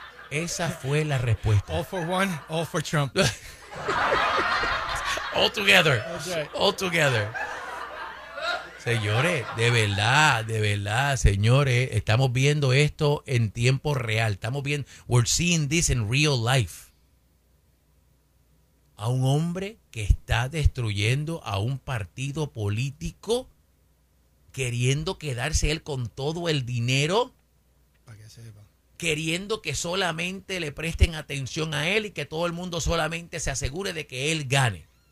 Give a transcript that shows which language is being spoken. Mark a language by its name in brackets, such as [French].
[Spanish] Esa fue la respuesta. [English] All for one, all for Trump. All together. Okay. All together. [Spanish] Señores, de verdad, señores, estamos viendo esto en tiempo real. Estamos viendo, [English] we're seeing this in real life. [Spanish] A un hombre que está destruyendo a un partido político, queriendo quedarse él con todo el dinero, para que sepa, queriendo que solamente le presten atención a él y que todo el mundo solamente se asegure de que él gane.